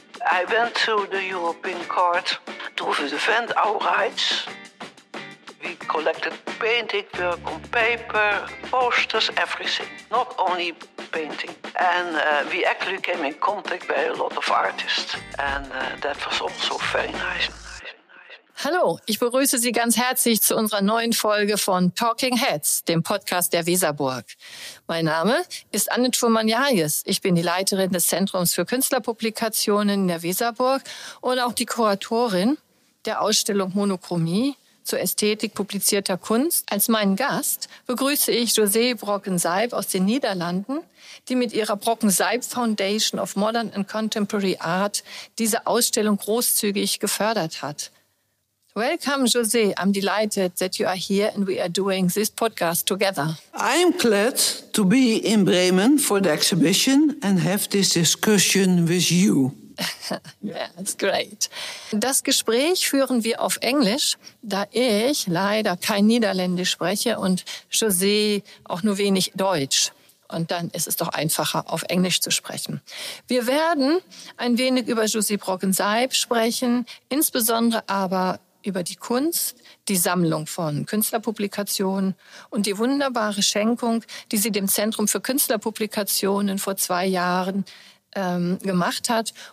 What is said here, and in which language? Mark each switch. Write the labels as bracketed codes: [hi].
[en] I went to the European Court to defend our rights. We collected painting work on paper, posters, everything, not only painting. And we actually came in contact with a lot of artists. And that was also very nice. [de] Hallo, ich begrüße Sie ganz herzlich zu unserer neuen Folge von Talking Heads, dem Podcast der Weserburg. Mein Name ist Anne Thurmann-Jahjes. Ich bin die Leiterin des Zentrums für Künstlerpublikationen in der Weserburg und auch die Kuratorin der Ausstellung Monochromie zur Ästhetik publizierter Kunst. Als meinen Gast begrüße ich José Brocken-Seib aus den Niederlanden, die mit ihrer Brocken-Seib Foundation of Modern and Contemporary Art diese Ausstellung großzügig gefördert hat. [en] Welcome, José. I'm delighted that you are here and we are doing this podcast together. I am glad to be in Bremen for the exhibition and have this discussion with you. Yeah, that's great. [de] Das Gespräch führen wir auf Englisch, da ich leider kein Niederländisch spreche und José auch nur wenig Deutsch. Und dann ist es doch einfacher, auf Englisch zu sprechen. Wir werden ein wenig über José Brocken-Seib sprechen, insbesondere aber über die Kunst, die Sammlung von Künstlerpublikationen und die wunderbare Schenkung, die sie dem Zentrum für Künstlerpublikationen vor 2 Jahren gemacht hat.